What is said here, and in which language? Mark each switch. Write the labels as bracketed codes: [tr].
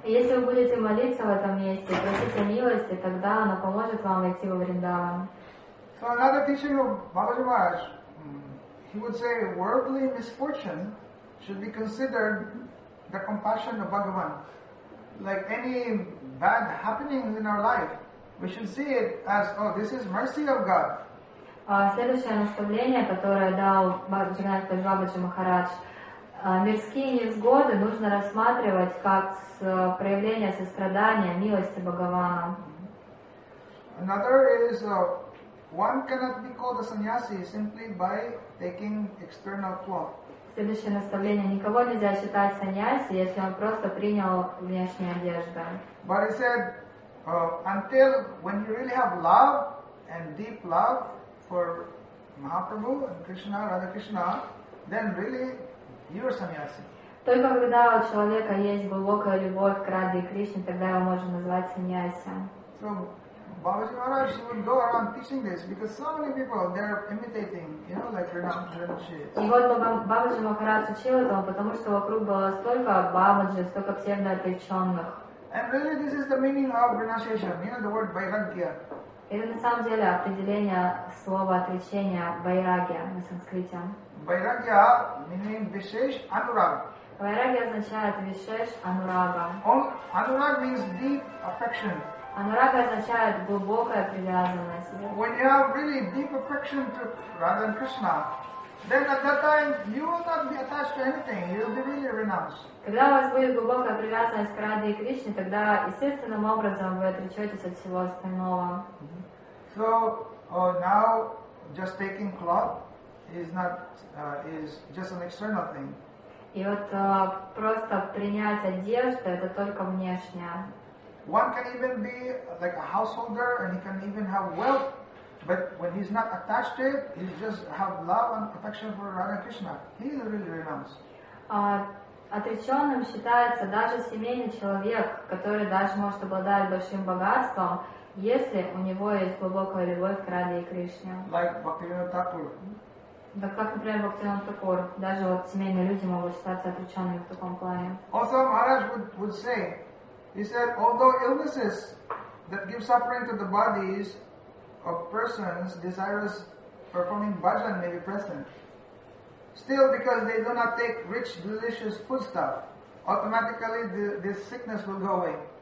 [ru] Если вы будете молиться в этом месте, просить о милости, тогда оно поможет вам войти во Вриндаван. [en] So another teaching of Babaji Maharaj, he would say worldly misfortune should be considered the compassion of Bhagavan. Like any bad happenings in our life, we should see it as, oh, this is mercy of God. [ru] Следующее наставление, которое дал Бабаджи Махарадж, мирские невзгоды нужно рассматривать как проявление сострадания, милости Бхагавана. [en] Another is, one cannot be called a sannyasi simply by taking external cloth. [ru] Следующее наставление. Никого нельзя считать саньяси, если он просто принял внешнюю одежду. [en] But he said, until when you really have love and deep love for Mahaprabhu and Krishna, Radha Krishna, then really you are sannyasi. [ru] Только когда у человека есть глубокая любовь к Раде и Кришне, тогда его можно назвать саньяси. [en] So, Babaji Maharaj would go around teaching this because so many people they are imitating, you know, like Rinpoche. [ru] И вот Бабаджи Махарадж учил этому, потому что вокруг было столько бабаджи, столько псевдоотреченных. [en] And really, this is the meaning of renunciation. You know, the word vairagya. [ru] Это на самом деле определение слова отречения вайрагья на санскрите. [en] Vairagya meaning vishesh anurag. [ru] Vairagya означает vishesh anuraga. [en] Anurag means deep affection. [ru] Анурага означает глубокая привязанность. [en] When you have really deep affection to Radha and Krishna, then at that time you will not be attached to anything. You will be really renounced. [ru] Когда у вас будет глубокая привязанность к Раде и Кришне, тогда естественным образом вы отречетесь от всего остального. [en] So now just taking cloth is not is just an external thing. [ru] И вот просто принять одежду это только внешнее. [en] One can even be like a householder and he can even have wealth, but when he's not attached to it, he just have love and affection for Radha Krishna. He is really renounced. [ru] Отреченным считается даже семейный человек, который даже может обладать большим богатством, если у него есть глубокая любовь к Раде и Кришне. [en] Like Bhaktivinoda Thakur. [ru] Да, как, например, Бхактивинода Такур. Даже вот семейные люди могут считаться отреченными в таком плане. [en] Also, Maharaj would say, he said, although illnesses that give suffering to the bodies of persons desirous performing bhajan may be present, still because they do not take rich, delicious foodstuff, automatically this sickness will go away.